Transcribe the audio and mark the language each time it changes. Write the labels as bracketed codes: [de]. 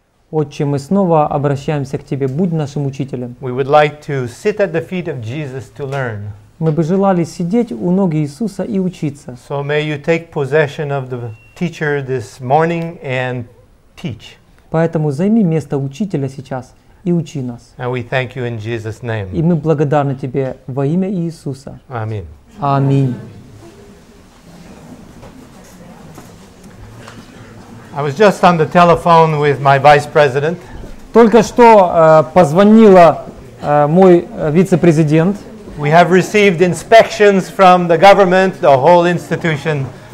[ru] Отче, мы снова обращаемся к Тебе, будь нашим учителем. [en] We would like to sit at the feet of Jesus to learn. [ru] Мы бы желали сидеть у ног Иисуса и учиться. [en] So may you take possession of the teacher this morning and teach. [ru] Поэтому займи место учителя сейчас и учи нас. [en] And we thank you in Jesus' name. [ru] И мы благодарны Тебе во имя Иисуса. Аминь. Аминь. [en] I was just on the telephone with my vice president. [ru] Только что позвонила мой вице-президент. [en] We have received inspections from the government, the whole institution.